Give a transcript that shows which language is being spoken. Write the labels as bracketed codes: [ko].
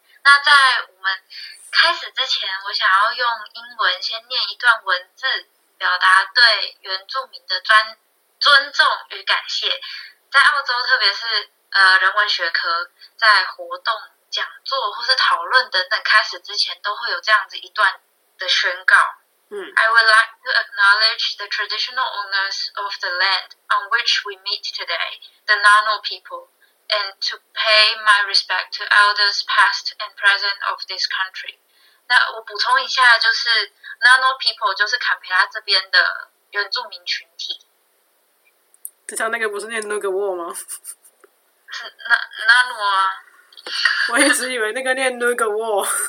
[zh] 那在我们开始之前，我想要用英文先念一段文字，表达对原住民的尊重与感谢。在澳洲，特别是人文学科，在活动、讲座或是讨论等等开始之前，都会有这样子一段的宣告。 [en] I would like to acknowledge the traditional owners of the land on which we meet today, the Ngunnawal people. And to pay my respect to elders past and present of this country. [zh] 那我补充一下，就是 Ngunnawal people 就是坎培拉这边的原住民群体。就像那个不是念 Ngunnawal 吗？是 Ngunnawal 啊。我一直以为那个念 Ngunnawal。